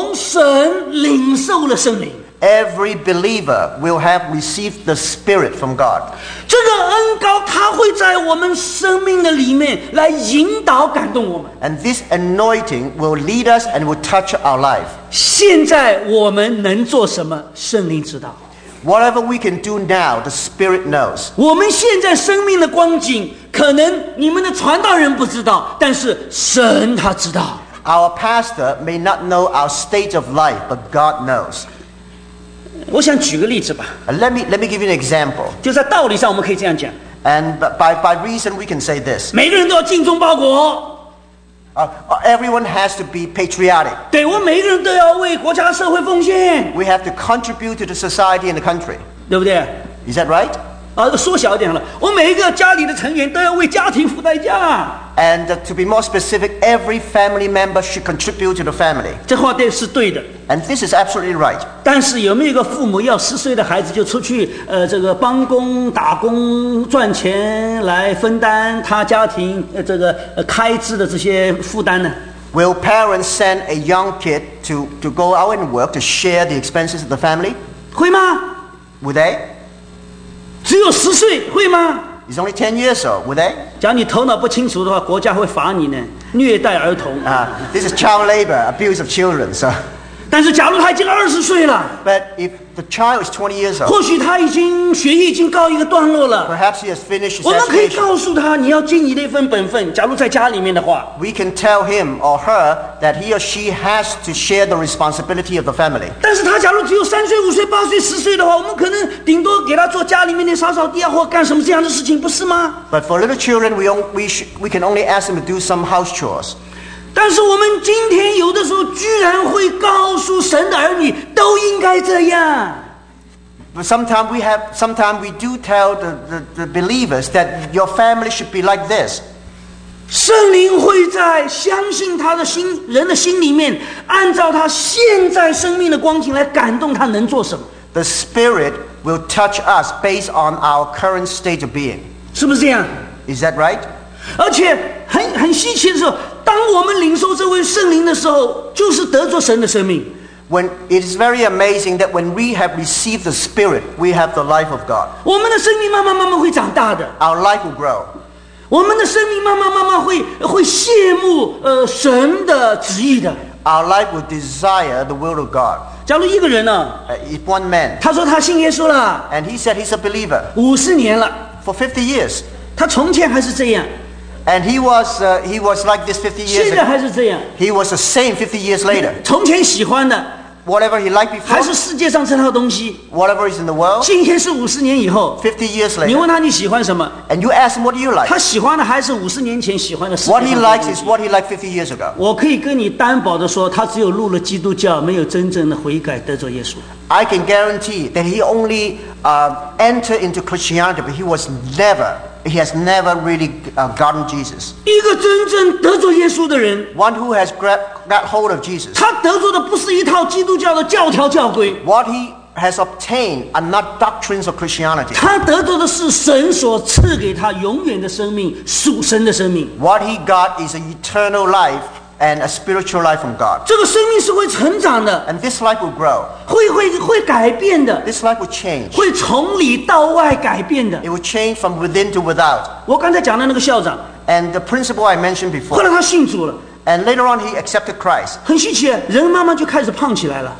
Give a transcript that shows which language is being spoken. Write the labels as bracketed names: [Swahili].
[Chinese] 就是每一个信耶稣人信耶稣以后怎么样呢，都从神领受了圣灵。 [English] Every believer will have received the Spirit from God. [Chinese] 这个恩膏它会在我们生命的里面来引导感动我们。 [English] And this anointing will lead us and will touch our life. [Chinese] 现在我们能做什么，圣灵知道。 [English] Whatever we can do now, the Spirit knows. [Chinese] 我们现在生命的光景，可能你们的传道人不知道，但是神他知道。 [English] Our pastor may not know our state of life, but God knows. [Chinese] 我想举个例子吧。 [English] Let me give you an example. [Chinese] 就在道理上我们可以这样讲。 [English] And by reason we can say this. [Chinese] 每个人都要尽忠报国。 [English] Everyone has to be patriotic. [Chinese] 对，我每一个人都要为国家社会奉献。 [English] We have to contribute to the society and the country. [Chinese] 对不对？ [English] Is that right? [Chinese] 缩小一点好了，我每一个家里的成员都要为家庭付代价。 [English] And to be more specific, every family member should contribute to the family. [Chinese] 这话对是对的。 [English] And this is absolutely right. [Chinese] 但是有没有一个父母要十岁的孩子就出去，这个帮工打工赚钱来分担他家庭这个开支的这些负担呢？ [English] Will parents send a young kid to go out and work to share the expenses of the family? [Chinese] 会吗 [English] ？Would they? [Chinese] 只有十岁会吗 [English] ？He's only 10 years old. Would they? [Chinese] 假如你头脑不清楚的话，国家会罚你呢，虐待儿童。 [English] This is child labor, abuse of children, sir. [Chinese] 但是假如他已经二十岁了 [English] ，But if the child is 20 years old, [Chinese] 或许他已经学业已经告一个段落了 [English] ，Perhaps he has finished. [Chinese] 我们可以告诉他，你要尽你那份本分。假如在家里面的话 [English] ，We can tell him or her that he or she has to share the responsibility of the family. [Chinese] 但是他假如只有三岁、五岁、八岁、十岁的话，我们可能顶多给他做家里面的扫扫地啊，或干什么这样的事情，不是吗 [English] ？But for little children, we can only ask them to do some house chores. [Chinese] 但是我们今天有的时候居然会告诉神的儿女都应该这样。 [English] But sometimes we do tell the believers that your family should be like this. [Chinese] 圣灵会在相信他的心人的心里面，按照他现在生命的光景来感动他能做什么。 [English] The Spirit will touch us based on our current state of being. [Chinese] 是不是这样 [English] ？Is that right? [Chinese] 而且很稀奇的时候。当我们领受这位圣灵的时候，就是得着神的生命。 [English] When it is very amazing that when we have received the Spirit, we have the life of God. [Chinese] 我们的生命慢慢慢慢会长大的。 [English] Our life will grow. [Chinese] 我们的生命慢慢慢慢会羡慕神的旨意的。 [English] Our life will desire the will of God. [Chinese] 假如一个人呢 [English] ？If one man. [Chinese] 他说他信耶稣了。 [English] And he said he's a believer. [Chinese] 五十年了。 [English] For 50 years. [Chinese] 他从前还是这样。 [English] And he was like this 50 years ago. [Chinese] 现在还是这样。 [English] He was the same 50 years later. [Chinese] 从前喜欢的。 [English] Whatever he liked before. [Chinese] 还是世界上这套东西。 [English] Whatever is in the world. [Chinese] 今天是五十年以后。 [English] 50 years later. [Chinese] 你问他你喜欢什么。 [English] And you ask him what do you like. [Chinese] 他喜欢的还是五十年前喜欢的。 [English] What he likes is what he liked 50 years ago. [Chinese] 我可以跟你担保的说，他只有入了基督教，没有真正的悔改得着耶稣。 [English] I can guarantee that he only entered into Christianity, but he has never really gotten Jesus. [Chinese] 一个真正得着耶稣的人 [English] ，one who has got hold of Jesus. [Chinese] 他得着的不是一套基督教的教条教规。 [English] What he has obtained are not doctrines of Christianity. [Chinese] 他得着的是神所赐给他永远的生命，属神的生命。 [English] What he got is an eternal life. And a spiritual life from God. [Chinese] 这个生命是会成长的。 [English] And this life will grow. [Chinese] 会改变的。 [English] This life will change. [Chinese] 会从里到外改变的。 [English] It will change from within to without. [Chinese] 我刚才讲的那个校长。 [English] And the principal I mentioned before. [Chinese] 后来他信主了。 [English] And later on, he accepted Christ. [Chinese] 很稀奇，人慢慢就开始胖起来了。